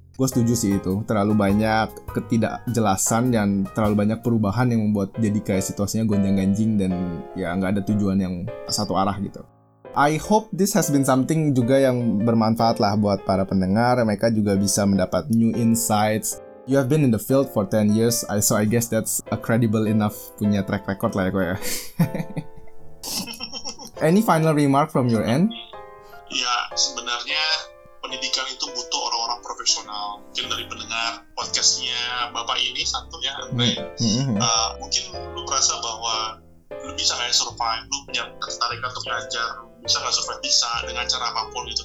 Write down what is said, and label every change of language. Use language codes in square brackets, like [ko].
[id] Gue setuju sih itu, terlalu banyak ketidakjelasan dan terlalu banyak perubahan yang membuat jadi kayak situasinya gonjang-ganjing dan ya nggak ada tujuan yang satu arah gitu. [en] I hope this has been something [id] juga yang bermanfaat lah buat para pendengar, mereka juga bisa mendapat [en] new insights. You have been in the field for 10 years, so I guess that's a credible enough [id] punya [en] track record [id] lah ya gue ya. [en] Any final remark from your end? [id] Ya, sebenarnya pendidikan itu butuh orang-orang profesional. Mungkin dari pendengar podcast podcastnya bapak ini satu ya, mungkin lu merasa bahwa lu bisa nggak survive, lu punya ketertarikan untuk belajar, bisa nggak survive, bisa dengan cara apapun itu.